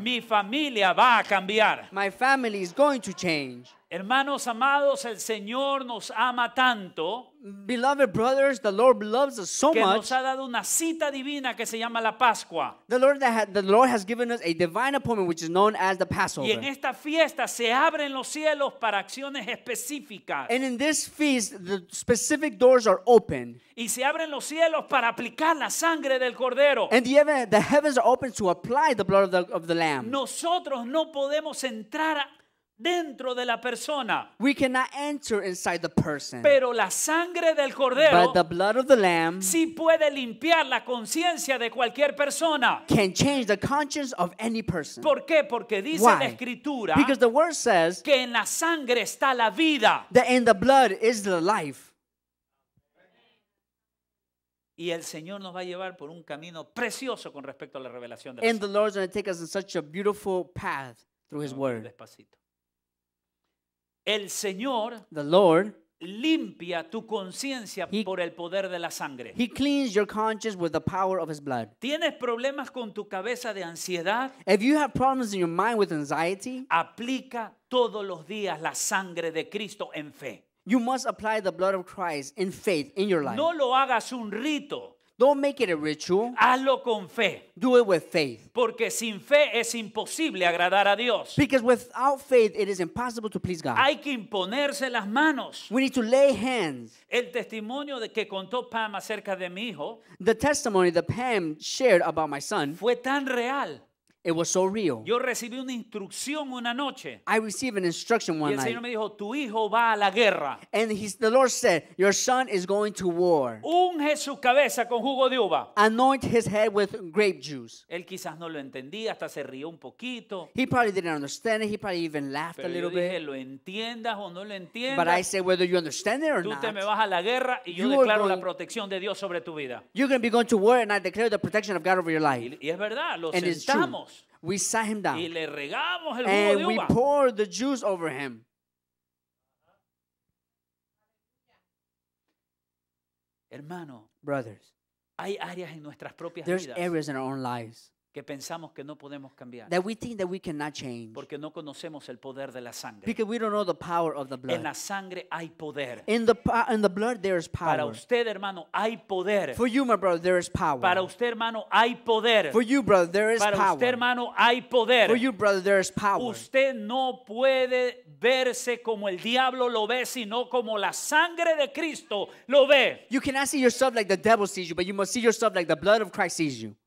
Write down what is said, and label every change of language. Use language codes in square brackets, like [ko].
[es] Mi familia va a cambiar. [en] My family is going to change. [es] Hermanos amados, el Señor nos ama tanto. [en] Beloved brothers, the Lord loves us so much. [es] Que nos ha dado una cita divina que se llama la Pascua. [en] The Lord has given us a divine appointment which is known as the Passover. [es] Y en esta fiesta se abren los cielos para acciones específicas. [en] And in this feast, the specific doors are open. [es] Y se abren los cielos para aplicar la sangre del cordero. [en] And the heavens are open to apply the blood of the lamb. [es] Nosotros no podemos entrar dentro de la persona. [en] We cannot enter inside the person. [es] Pero la sangre del cordero. [en] But the blood of the lamb. [es] Sí puede limpiar la conciencia de cualquier persona. [en] Can change the conscience of any person. [es] ¿Por qué? Porque dice [en] Why? [es] La escritura. [en] Because the word says. [es] Que en la sangre está la vida. [en] That in the blood is the life. [es] Y el Señor nos va a llevar por un camino precioso con respecto a la revelación de. [en] And the Lord is going to take us in such a beautiful path through His word. [es] Despacito. El Señor, [en] the Lord, [es] limpia tu conciencia por el poder de la sangre. [en] He cleans your conscience with the power of His blood. [es] ¿Tienes problemas con tu cabeza de ansiedad? [en] If you have problems in your mind with anxiety, [es] aplica todos los días la sangre de Cristo en fe. [en] You must apply the blood of Christ in faith in your life. [es] No lo hagas un rito. [en] Don't make it a ritual. [es] Hazlo con fe. [en] Do it with faith. [es] Porque sin fe es imposible agradar a Dios. [en] Because without faith it is impossible to please God. [es] Hay que imponerse las manos. [en] We need to lay hands. [es] El testimonio de que contó Pam acerca de mi hijo. [en] The testimony that Pam shared about my son. [es] Fue tan real. [en] It was so real. [es] Yo recibí una instrucción una noche. [en] I received an instruction one night. [es] Y el Señor me dijo, tu hijo va a la guerra. [en] And the Lord said, your son is going to war. [es] Unge su cabeza con jugo de uva. [en] Anoint his head with grape juice. [es] Él quizás no lo entendía, hasta se rió un poquito. [en] He probably didn't understand it. He probably even laughed [es] pero [en] a little [es] dije, [en] bit. [es] Lo entiendas o no lo entiendas. [en] But I said, whether you understand it or [es] tú [en] not. [es] Tú te me vas a la guerra y yo declaro la protección de Dios sobre tu vida. [en] You're going to be going to war and I declare the protection of God over your life. [es] Y es verdad, lo and sentamos. [en] We sat him down. [es] Y le regamos el [en] and [es] jugo de uva. [en] We poured the juice over him. [es] Hermano, [en] brothers, [es] hay áreas en nuestras propias [en] there's [es] vidas [en] areas in our own lives [es] que pensamos que no podemos cambiar. [en] That we think that we cannot change. [es] Porque no conocemos el poder de la sangre. [en] Because we don't know the power of the blood. [es] En la sangre hay poder. [en] In the blood there is power. [es] Para usted, hermano, hay poder. [en] For you, my brother, there is power. [es] Para usted, hermano, hay poder. [en] For you, brother, there is [es] para [en] power. [es] Para usted, hermano, hay poder. [en] For you, brother, there is power. [es] Usted no puede verse como el diablo lo ve, sino como la sangre de Cristo lo ve. [en] You cannot see yourself like the devil sees you, but you must see yourself like the blood of Christ sees you.